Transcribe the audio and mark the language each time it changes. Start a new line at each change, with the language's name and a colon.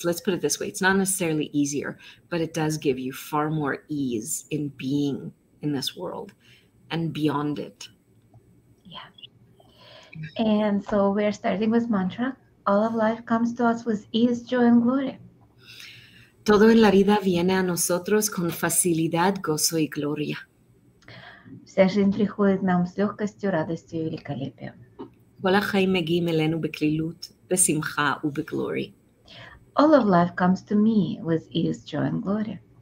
English: Let's put it this way. It's not necessarily easier, but it does give you far more ease in being in this world and beyond it. And so we're starting with mantra. All of life comes to us with ease, joy, and glory.
Spanish: Todo en la vida viene a nosotros con facilidad, gozo y gloria.
Russian: Вся жизнь приходит нам с легкостью, радостью и великолепием.
Hebrew: Кол ха-хаим мегиим элену бекалилут, бесимха убеглори.
English: All of life comes to me with ease, joy, and glory.